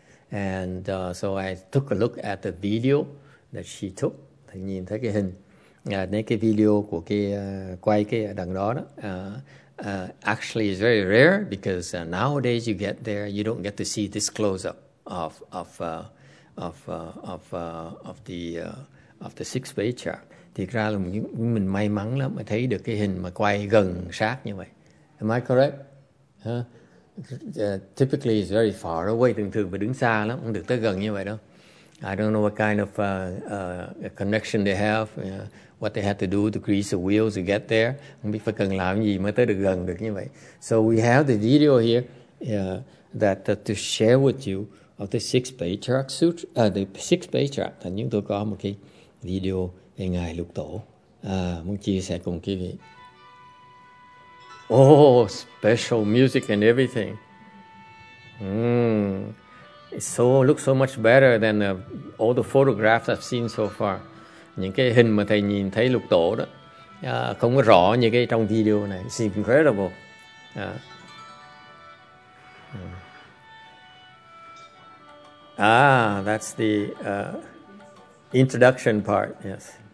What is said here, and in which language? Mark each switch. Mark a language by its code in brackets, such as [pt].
[en] And so I took a look at the video that she took. [vi] Thì nhìn thấy cái hình, nãy cái video của cái quay cái đằng đó. [en] Actually, it's very rare because nowadays you get there, you don't get to see this close up of the six way chart. [vi] Thì ra là mình may mắn lắm mà thấy được cái hình mà quay gần sát như vậy. [en] Am I correct? Typically it's very far away, [vi] thường phải đứng xa lắm không được tới gần như vậy đâu. [en] I don't know what kind of connection they have, what they had to do to grease the wheels to get there. [vi] Không biết phải cần làm gì mới tới được gần được như vậy. [en] So we have the video here to share with you of the six bay chart suit, the six bay chart. [vi] Thành chúng tôi có một cái video về ngài lục tổ muốn chia sẻ cùng quý vị. [en] Oh, special music and everything. It looks so much better than all the photographs I've seen so far. [vi] Những cái hình mà thầy nhìn thấy lục tổ đó không có rõ như cái trong video này. [en] It's incredible. That's the introduction part. Yes.